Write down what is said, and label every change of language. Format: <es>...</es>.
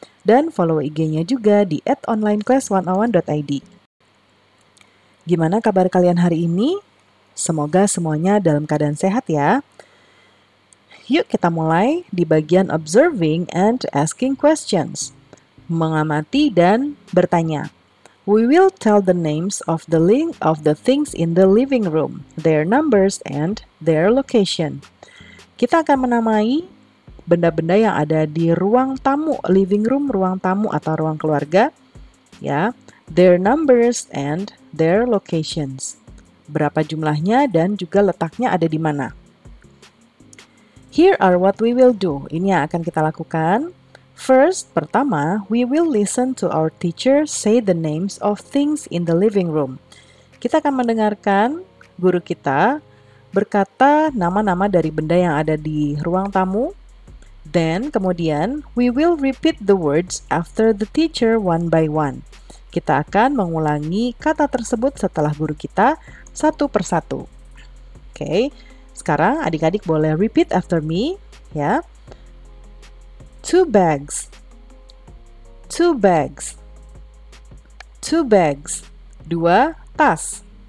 <id>Dan follow IG-nya juga di @onlineclass101.id. Gimana kabar kalian hari ini? Semoga semuanya dalam keadaan sehat ya. Yuk kita mulai di bagian</id> <en>observing and asking questions.</en> <id>Mengamati dan bertanya.</id> <en>We will tell the names of the things in the living room, their numbers, and their location.</en> <id>Kita akan menamai benda-benda yang ada di ruang tamu, living room, ruang tamu atau ruang keluarga, ya.</id> <en>Their numbers and their locations.</en> <id>Berapa jumlahnya dan juga letaknya ada di mana?</id> <en>Here are what we will do.</en> <id>Ini yang akan kita lakukan.</id> <en>First, pertama, we will listen to our teacher say the names of things in the living room.</en> <id>Kita akan mendengarkan guru kita berkata nama-nama dari benda yang ada di ruang tamu.</id> <en>Then, kemudian, we will repeat the words after the teacher one by one.</en> <id>Kita akan mengulangi kata tersebut setelah guru kita satu persatu. Okay, sekarang adik-adik boleh</id> <en>repeat after me,</en> <id>ya.</id> <en>Two bags, two bags, two bags,</en> <id>dua tas.</id>